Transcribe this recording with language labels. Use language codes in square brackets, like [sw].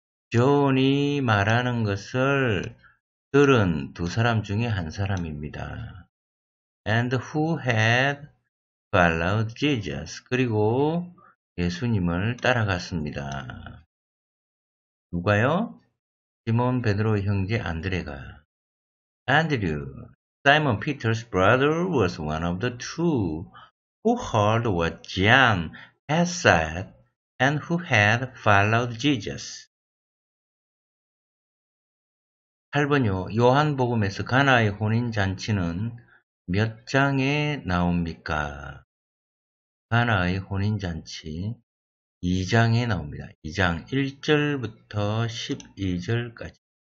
[ko] 존이 말하는 것을 들은 두 사람 중에 한 사람입니다. [en] And who had followed Jesus. [ko] 그리고 예수님을 따라갔습니다. 누가요? 시몬 베드로의 형제 안드레가. [en] Andrew, Simon Peter's brother was one of the two who heard what John had said and who had followed Jesus. [ko] 8번요. 요한복음에서 가나의 혼인잔치는 몇 장에 나옵니까? 요한아의 혼인잔치 2장에 나옵니다. 2장 1절부터 12절까지.